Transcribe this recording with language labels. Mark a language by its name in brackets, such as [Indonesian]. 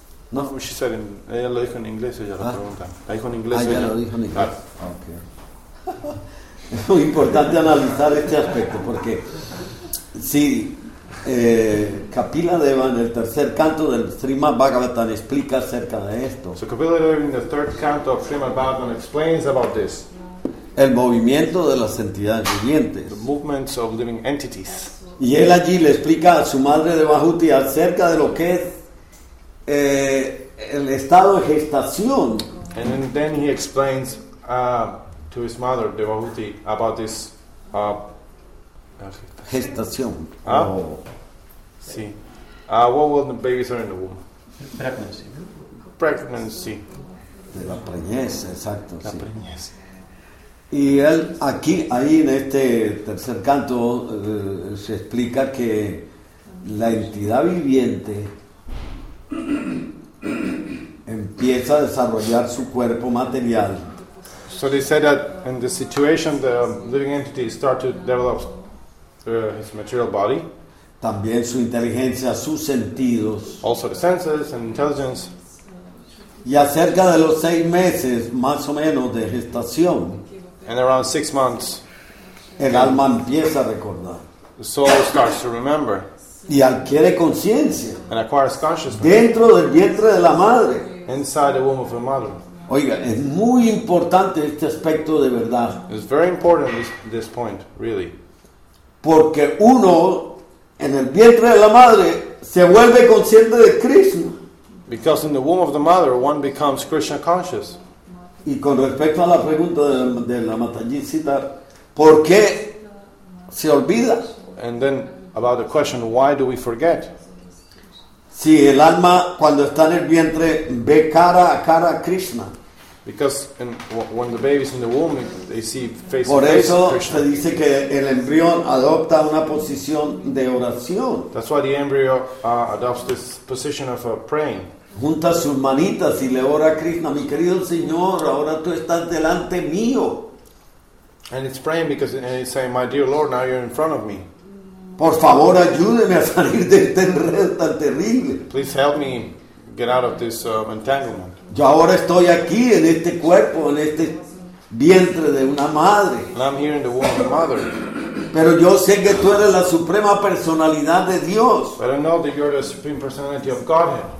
[English] No, she said [Spanish] ella lo dijo en inglés, ella la pregunta. La dijo en inglés. Ella lo dijo en inglés. Okay. Es muy importante analizar este aspecto porque si Kapila Deva en el tercer canto del Srimad Bhagavatam explica acerca de esto. [English] So Kapila Deva in the third canto of Srimad Bhagavatam explains about this. [Spanish] El movimiento de las entidades vivientes. [English] The movements of living entities. [Spanish] Y él allí le explica a su madre de Bahuti acerca de lo que es el estado de gestación. [English] And then he explains to his mother Devahuti about this [Spanish] gestación. Sí. [English] What will the babies are in the womb? Pregnancy. [Spanish] De la preñez, exacto. La sí. Preñez. Y él aquí, ahí en este tercer canto, se explica que la entidad viviente empieza a desarrollar su cuerpo material. [English] So So they said that in the situation the living entity start to develop his material body. [Spanish] También su inteligencia, sus sentidos. [English] Also the senses and intelligence. [Spanish] Y acerca de los seis meses, más o menos, de gestación. [English] And around 6 months. [Spanish] El alma empieza a recordar. [English] The soul starts to remember. [Spanish] Y adquiere conciencia. [English] And acquires consciousness. [Spanish] Dentro del vientre de la madre. [English] Inside the womb of the mother. [Spanish] Oiga, es muy importante este aspecto de verdad. [English] It's very important this point, really. [Spanish] Porque uno, en el vientre de la madre, se vuelve consciente de Krishna. [English] Because in the womb of the mother, one becomes Krishna conscious. [Spanish] Y con respecto a la pregunta de la Mataji Siddhar, ¿por qué se olvida? [English] And then about the question, why do we forget? [Spanish] Si el alma cuando está en el vientre ve cara a cara a Krishna. [English] Because when the baby is in the womb, they see face to face Krishna. [Spanish] Por eso se dice que el embrión adopta una posición de oración. [English] That's why the embryo adopts this position of praying. [Spanish] Junta sus manitas y le ora a Krishna, mi querido Señor, ahora tú estás delante mío. [English] And it's praying because it's saying, my dear Lord, now you're in front of me. [Spanish] Por favor, ayúdeme a salir de este enredo tan terrible. [English] Please help me get out of this entanglement. [Spanish] Yo ahora estoy aquí en este cuerpo, en este vientre de una madre. [English] And I'm here in the womb of a mother. [Spanish] Pero yo sé que tú eres la suprema personalidad de Dios. [English] But I know that you're the supreme personality of Godhead.